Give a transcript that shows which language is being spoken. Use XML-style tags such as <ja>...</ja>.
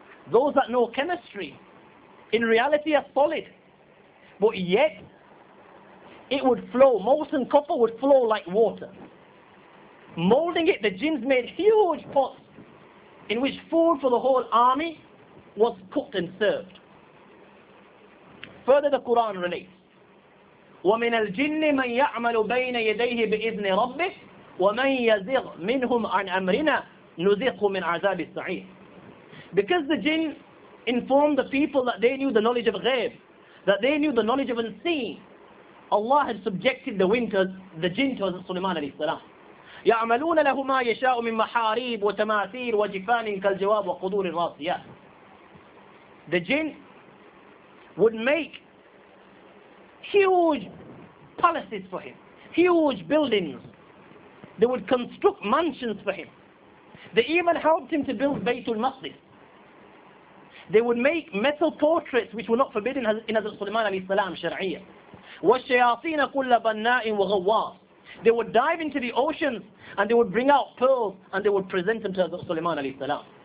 <en>Those that know chemistry, in reality are solid. But yet, it would flow, molten copper would flow like water. Molding it, the jinns made huge pots in which food for the whole army was cooked and served.</en> <ar>Further, the Quran relates, وَمِنَ الْجِنِّ مَنْ يَعْمَلُ بَيْنَ يَدَيْهِ بِإِذْنِ رَبِّهِ وَمَنْ يَزِغْ مِنْهُمْ عَنْ أَمْرِنَا نُزِغْهُ مِنْ عَذَابِ السَّعِيرِ.</ar> <en>Because the jinn informed the people that they knew the knowledge of ghaib, that they knew the knowledge of unseen, Allah had subjected the wind to the jinn to Hazrat Sulaiman alayhi salam.</en> <ar>يَعْمَلُونَ لَهُ مَا يَشَاءُ مِنْ مَحَارِيبُ وَتَمَاثِيلُ وَجِفَانٍ كَالْجِوَابُ وَقُدُورٍ رَاسِيَاتٍ.</ar> <en>The jinn would make huge palaces for him, huge buildings. They would construct mansions for him. They even helped him to build Baytul Maqdis. They would make metal portraits which were not forbidden in Hazrat Sulaiman alayhi salam shar'iyya.</en> <ar>وَالشَّيَاطِينَ كُلَّ بَنَّاءٍ وَغَوَّاصٍ.</ar> <en>They would dive into the oceans and they would bring out pearls and they would present them to Hazrat Sulaiman alayhi salam.</en>